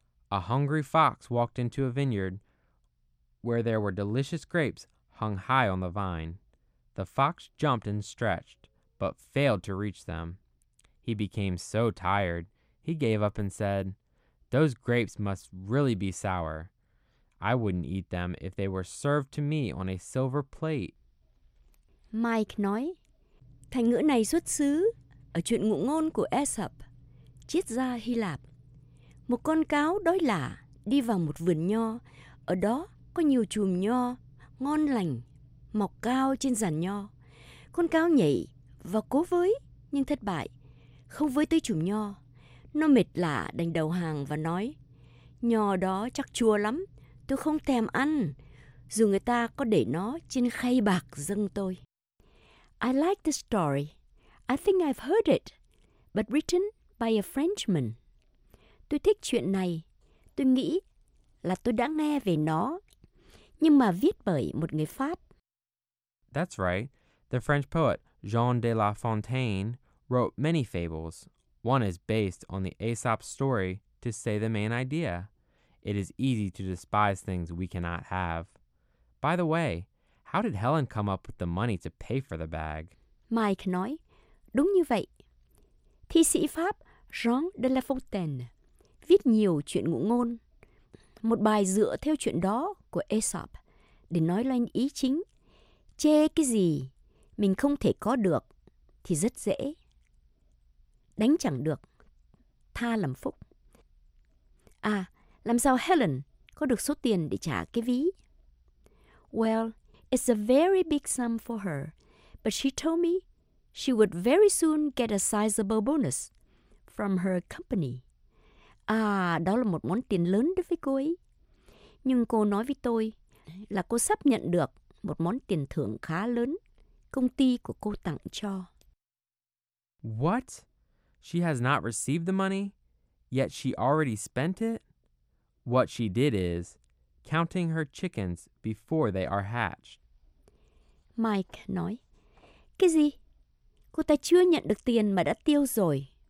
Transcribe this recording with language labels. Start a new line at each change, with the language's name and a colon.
English: A hungry fox walked into a vineyard where there were delicious grapes hung high on the vine. The fox jumped and stretched, but failed to reach them. He became so tired, he gave up and said, "Those grapes must really be sour. I wouldn't eat them if they were served to me on a silver plate."
Vietnamese: Mike nói, thành ngữ này xuất xứ ở chuyện ngụ ngôn của Aesop, triết gia Hy Lạp. Một con cáo đói lả đi vào một vườn nho, ở đó có nhiều chùm nho ngon lành mọc cao trên giàn nho. Con cáo nhảy và cố với nhưng thất bại, không với tới chùm nho. Nó mệt lả đành đầu hàng và nói, nho đó chắc chua lắm, tôi không thèm ăn dù người ta có để nó trên khay bạc dâng tôi.
English: I like the story. I think I've heard it, but written by a Frenchman.
Vietnamese: Tôi thích chuyện này. Tôi nghĩ là tôi đã nghe về nó, nhưng mà viết bởi một người Pháp.
English: That's right. The French poet Jean de La Fontaine wrote many fables. One is based on the Aesop's story to say the main idea. It is easy to despise things we cannot have. By the way, how did Helen come up with the money to pay for the bag?
Vietnamese: Mike nói, đúng như vậy. Thi sĩ Pháp Jean de La Fontaine viết nhiều chuyện ngụ ngôn, một bài dựa theo chuyện đó của Aesop để nói lên ý chính. Chê cái gì mình không thể có được thì rất dễ. Đánh chẳng được, tha làm phúc. À, làm sao Helen có được số tiền để trả cái ví?
English: Well, it's a very big sum for her, but she told me she would very soon get a sizable bonus from her company.
Vietnamese: À, đó là một món tiền lớn đối với cô ấy. Nhưng cô nói với tôi là cô sắp nhận được một món tiền thưởng khá lớn công ty của cô tặng cho.
English: What? She has not received the money, yet she already spent it? What she did is counting her chickens before they are hatched.
Vietnamese: Mike nói, cái gì? Cô ta chưa nhận được tiền mà đã tiêu rồi.